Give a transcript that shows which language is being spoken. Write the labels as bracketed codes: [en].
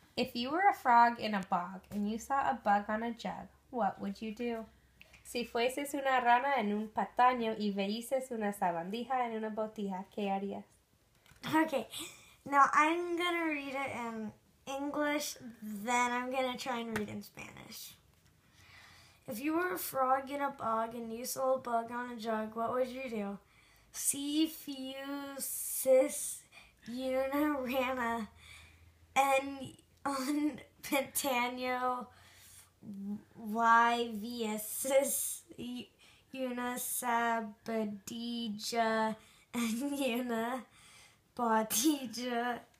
[en] If you were a frog in a bog and you saw a bug on a jug, what would you do? [es] Si fueses una rana en un pantano y veises una sabandija en una botija, ¿qué harías? [en] Okay, now I'm gonna read it in English, then I'm gonna try and read in Spanish. If you were a frog in a bog and you saw a bug on a jug, what would you do? [es] Si fueses una rana en un pantano, [en] why [es] veises una sabandija en una botija?